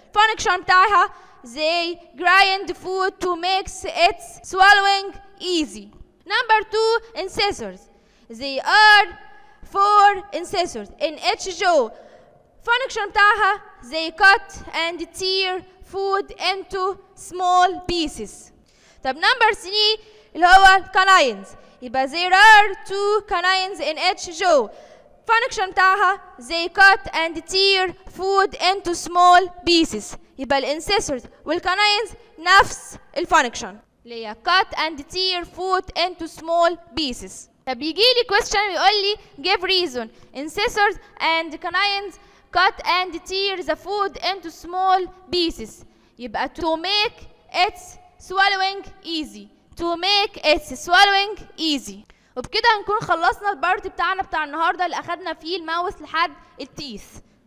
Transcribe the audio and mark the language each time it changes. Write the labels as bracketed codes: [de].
[en] Function بتاعها, they grind food to make its swallowing easy. Number 2, incisors. They are 4 incisors in each jaw. Function بتاعها, they cut and tear food into small pieces. طب number 3, اللي هو canines. يبقى there are 2 canines in each jaw. Function بتاعها, they cut and tear food into small pieces. [ar] يبقى الincisors والcanines نفس الfunction. [en] They cut and tear food into small pieces. [ar] طب يجي لي question ويقول لي [en] give reason. Incisors and canines cut and tear the food into small pieces. يبقى to make its swallowing easy. To make its swallowing easy. [ar] وبكده هنكون خلصنا البارت بتاعنا بتاع النهارده اللي اخدنا فيه الماوس لحد التيث.